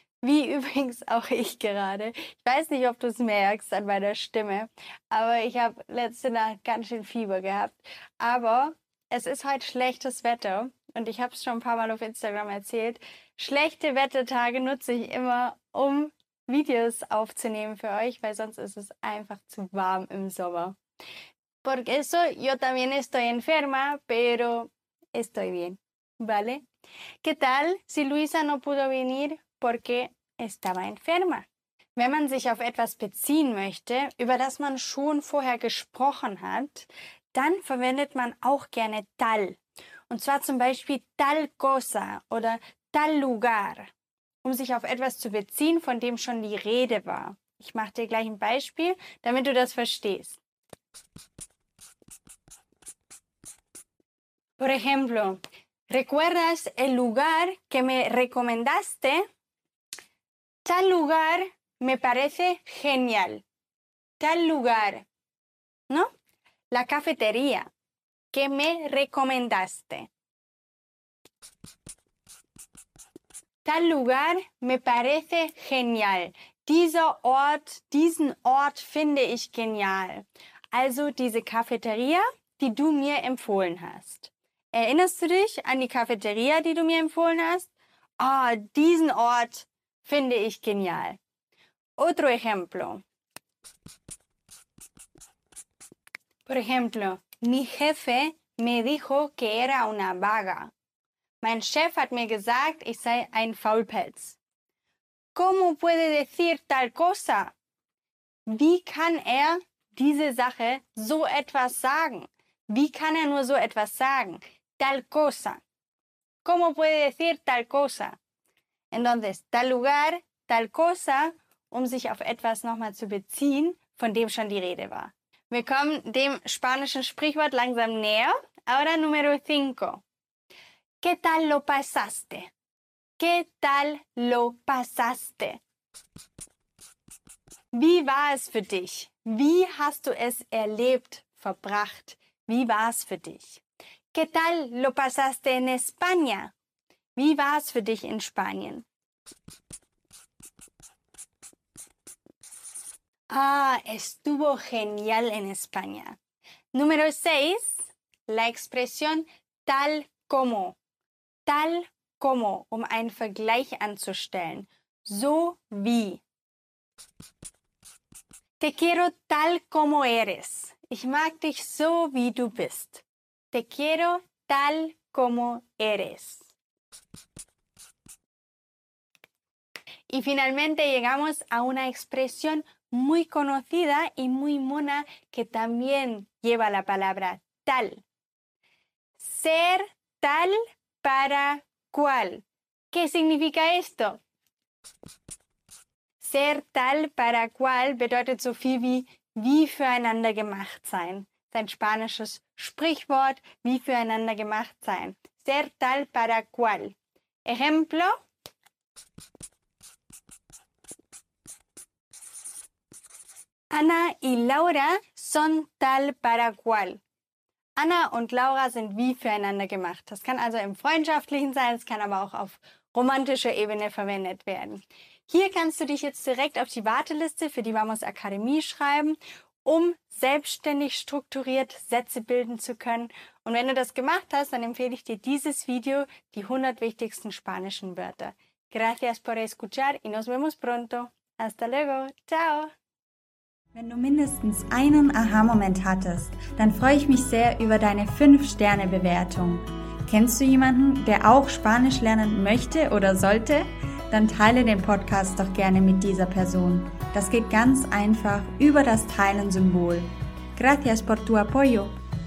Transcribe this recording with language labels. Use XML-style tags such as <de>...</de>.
<de>Wie übrigens auch ich gerade. Ich weiß nicht, ob du es merkst an meiner Stimme, aber ich habe letzte Nacht ganz schön Fieber gehabt. Aber es ist heute schlechtes Wetter und ich habe es schon ein paar Mal auf Instagram erzählt. Schlechte Wettertage nutze ich immer, um Videos aufzunehmen für euch, weil sonst ist es einfach zu warm im Sommer.</de> <es>Por eso yo también estoy enferma, pero estoy bien, ¿vale? ¿Qué tal si Luisa no pudo venir porque estaba enferma?</es> <de>Wenn man sich auf etwas beziehen möchte, über das man schon vorher gesprochen hat, dann verwendet man auch gerne tal. Und zwar zum Beispiel tal cosa oder tal lugar, um sich auf etwas zu beziehen, von dem schon die Rede war. Ich mache dir gleich ein Beispiel, damit du das verstehst.</de> <es>Por ejemplo, ¿recuerdas el lugar que me recomendaste? Tal lugar me parece genial. Tal lugar, ¿no? La cafetería que me recomendaste. Tal lugar me parece genial.</es> <de>Dieser Ort, diesen Ort finde ich genial. Also diese Cafeteria, die du mir empfohlen hast. Erinnerst du dich an die Cafeteria, die du mir empfohlen hast? Ah, oh, diesen Ort finde ich genial.</de> <es>Otro ejemplo. Por ejemplo, mi jefe me dijo que era una vaga.</es> <de>Mein Chef hat mir gesagt, ich sei ein Faulpelz.</de> <es>¿Cómo puede decir tal cosa?</es> <de>Wie kann er diese Sache so etwas sagen? Wie kann er nur so etwas sagen?</de> <es>Tal cosa. ¿Cómo puede decir tal cosa? Entonces, tal lugar, tal cosa,</es> <de>um sich auf etwas nochmal zu beziehen, von dem schon die Rede war. Wir kommen dem spanischen Sprichwort langsam näher.</de> <es>Ahora número 5. ¿Qué tal lo pasaste? ¿Qué tal lo pasaste?</es> <de>Wie war es für dich? Wie hast du es erlebt, verbracht? Wie war es für dich?</de> <es>¿Qué tal lo pasaste en España?</es> <de>Wie war es für dich in Spanien?</de> <es>Ah, estuvo genial en España. Número 6, la expresión tal como.</es> <de>Tal como, um einen Vergleich anzustellen. So wie.</de> <es>Te quiero tal como eres.</es> <de>Ich mag dich so, wie du bist.</de> <es>Te quiero tal como eres. Y finalmente llegamos a una expresión muy conocida y muy mona que también lleva la palabra tal. Ser tal para cual. ¿Qué significa esto? Ser tal para cual</es> <de>bedeutet so viel wie, wie füreinander gemacht sein. Ein spanisches Sprichwort, wie füreinander gemacht sein.</de> <es>Ser tal para cual. Ejemplo. Ana y Laura son tal para cual.</es> <de>Ana und Laura sind wie füreinander gemacht. Das kann also im Freundschaftlichen sein, es kann aber auch auf romantischer Ebene verwendet werden. Hier kannst du dich jetzt direkt auf die Warteliste für die Vamos Akademie schreiben, um selbstständig strukturiert Sätze bilden zu können. Und wenn du das gemacht hast, dann empfehle ich dir dieses Video, die 100 wichtigsten spanischen Wörter.</de> <es>Gracias por escuchar y nos vemos pronto. Hasta luego. Ciao.</es> <de>Wenn du mindestens einen Aha-Moment hattest, dann freue ich mich sehr über deine 5-Sterne-Bewertung. Kennst du jemanden, der auch Spanisch lernen möchte oder sollte? Dann teile den Podcast doch gerne mit dieser Person. Das geht ganz einfach über das Teilen-Symbol.</de> <es>Gracias por tu apoyo.</es>